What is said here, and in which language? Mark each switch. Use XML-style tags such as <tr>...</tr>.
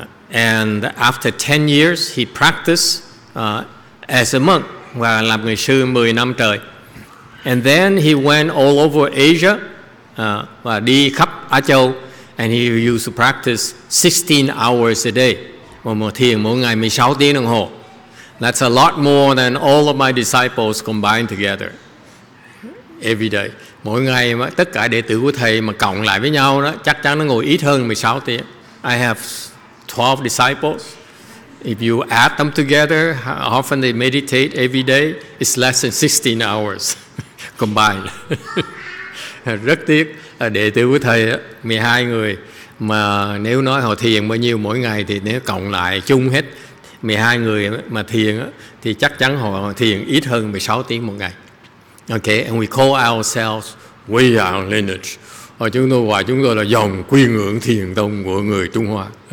<en>And after 10 years, he practiced as a monk,</en> <vi>và làm người sư 10 năm trời.</vi> <en>And then he went all over Asia,</en> <vi>và đi khắp Á Châu,</vi> <en>and he used to practice 16 hours a day.</en> <vi>Một thiền mỗi ngày 16 tiếng đồng hồ.</vi> <en>That's a lot more than all of my disciples combined together. Every day.</en> <vi>Mỗi ngày mà tất cả đệ tử của thầy mà cộng lại với nhau đó, chắc chắn nó ngồi ít hơn 16 tiếng.</vi> <en>I have 12 disciples. If you add them together, how often they meditate every day, it's less than 16 hours combined.</en> <vi>Rất tiếc, đệ tử của thầy 12 người, mà nếu nói họ thiền bao nhiêu mỗi ngày thì nếu cộng lại chung hết 12 người mà thiền thì chắc chắn họ thiền ít hơn 16 tiếng một ngày.</vi> <en>Okay, and we call ourselves We Are Lineage.</en> <vi>Chúng tôi gọi chúng tôi là dòng quy ngưỡng thiền tông của người Trung Hoa.</vi>